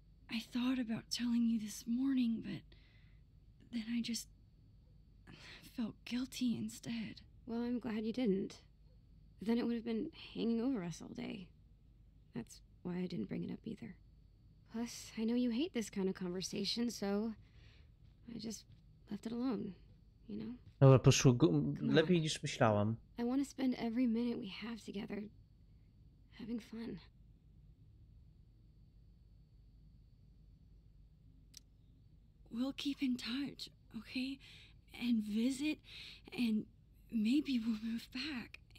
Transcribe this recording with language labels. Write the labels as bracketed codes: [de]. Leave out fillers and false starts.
[en] I thought about telling you this morning, but then I just felt guilty instead. Well, I'm glad you didn't. Then it would have been hanging over us all day. That's why I didn't bring it up either. Plus, I know you hate this kind of conversation, so I just left it alone, you know? [pl] Dobra, poszło lepiej niż myślałam. [en] I want to spend every minute we have together having fun. We'll keep in touch, okay? And visit, and maybe we'll move back.